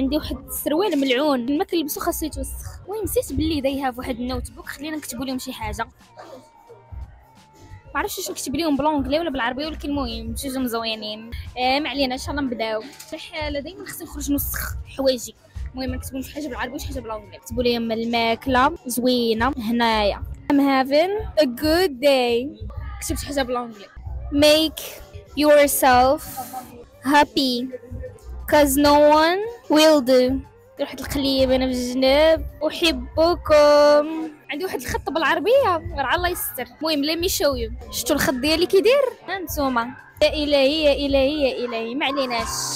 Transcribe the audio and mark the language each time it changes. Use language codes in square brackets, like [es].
[ar] عندي واحد السروال ملعون ما كنلبسو خاصو يتوسخ. المهم نسيت بلي [en] they have [ar] واحد النوت بوك خلينا نكتب لهم شي حاجة معرفش واش نكتب ليهم بلونغلي ولا بالعربيه ولكن المهم جوج مزوينين. ما علينا ان شاء الله نبداو. صح لدينا خصني نخرج نسخ حوايجي. المهم ما نكتبوش حاجه بالعربي وشي حاجه بالانجلي. كتبوا لي الماكله زوينه هنايا. [en] I'm having a good day. [ar] كتبت حاجه بالانجلي. [en] Make yourself happy cause no one will do. [ar] دير واحد القليب انا في الجناب احبكم. عندي واحد الخط بالعربيه غير الله يستر. المهم [en] let me show you [ar] شفتوا الخط ديالي كيدير هانتوما. يا الهي يا الهي يا الهي ما عليناش